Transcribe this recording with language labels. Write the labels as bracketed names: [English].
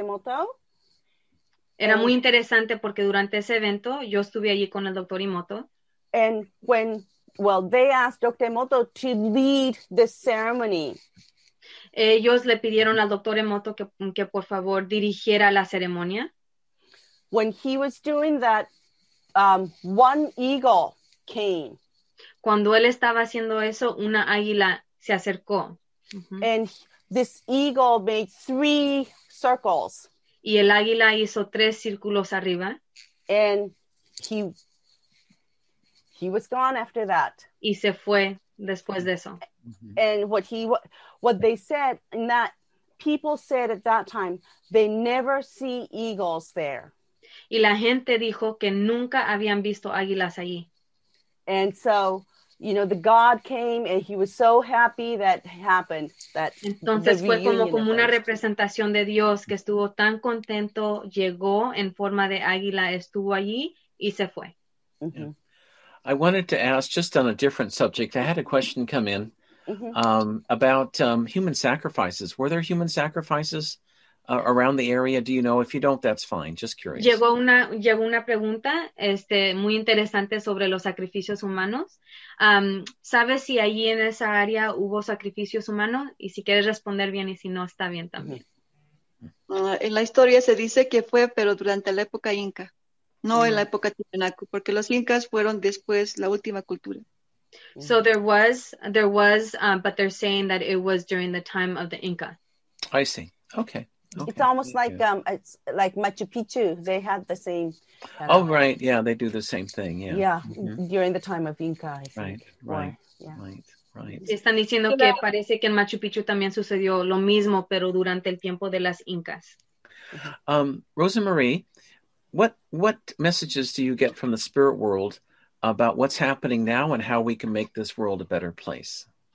[Spanish] Imoto. Era muy interesante porque durante ese evento, yo estuve allí con el Dr. Imoto. [English] And when, well, they asked Dr. Imoto to lead the ceremony. [Spanish] Ellos le pidieron al Dr. Imoto que por favor dirigiera la ceremonia. [English] When he was doing that, one eagle came. [Spanish] Cuando él estaba haciendo eso, una águila se acercó. Mm-hmm. [English] And this eagle made three circles. [Spanish] Y el águila hizo tres círculos arriba. [English] And he was gone after that. [Spanish] Y se fue después de eso. Mm-hmm. [English] And what they said, in that people said at that time, they never see eagles there. [Spanish] Y la gente dijo que nunca habían visto águilas allí. [English] And so, you know, the God came and he was so happy that happened. That [Spanish] entonces fue como una representación de Dios que estuvo tan contento, llegó en forma de águila, estuvo allí y se fue. [English] Yeah. I wanted to ask just on a different subject. I had a question come in about human sacrifices. Were there human sacrifices? Around the area, do you know? If you don't, that's fine. Just curious. [Spanish] Llegó una pregunta, muy interesante sobre los sacrificios humanos. ¿Sabes si allí en esa área hubo sacrificios humanos? Y si quieres responder bien, y si no, está bien también. En la historia se dice que fue, pero durante la época inca, no en la época Tiwanaku, porque los incas fueron después la última cultura. [English] So there was, but they're saying that it was during the time of the Inca. I see. Okay. Okay. It's almost like it's like Machu Picchu. They had the same. Oh, right. Yeah, they do the same thing. Yeah. Yeah. Mm-hmm. During the time of Inca. Right. Right. Right. [Spanish] Están diciendo que parece que en Machu Picchu también sucedió lo mismo, pero durante el tiempo de las Incas. [English] Rosemarie, what messages do you get from the spirit world about what's happening now and how we can make this world a better place?